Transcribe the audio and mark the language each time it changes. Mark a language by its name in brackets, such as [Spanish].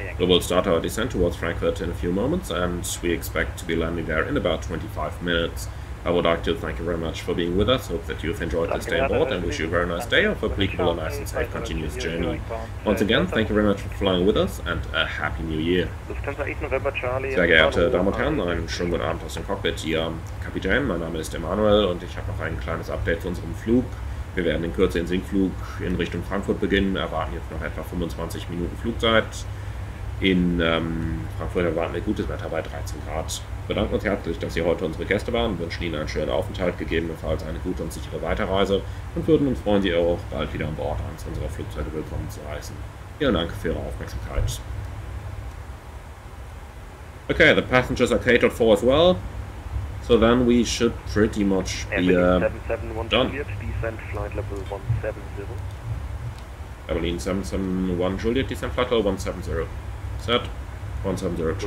[English] We will start our descent towards Frankfurt in a few moments, and we expect to be landing there in about 25 minutes. I would like to thank you very much for being with us. Hope that you've enjoyed this day on board, and wish you a very nice day of a pleasurable, nice and safe continuous journey. Once again, thank you very much for flying with us, and a happy new year. [German] Sehr geehrte Damen und Herren, einen schönen guten Abend aus dem Cockpit. Hier Kapitän, mein Name ist Emmanuel, und ich habe noch ein kleines Update zu unserem Flug. Wir werden in Kürze den Sinkflug in Richtung Frankfurt beginnen. Wir erwarten jetzt noch etwa 25 Minuten Flugzeit. In Frankfurt erwarten wir gutes Wetter bei 13 Grad. Wir bedanken uns herzlich, dass Sie heute unsere Gäste waren, wünschen Ihnen einen schönen Aufenthalt, gegebenenfalls eine gute und sichere Weiterreise und würden uns freuen, Sie auch bald wieder an Bord eines unserer Flugzeuge willkommen zu heißen. Vielen Dank für Ihre Aufmerksamkeit. [English] Okay, the passengers are catered for as well. So then we should pretty much be done. Evelyn 771 Juliet, descent flight level 170. Evelyn 771 Juliet, descent flight level 170. Set. 170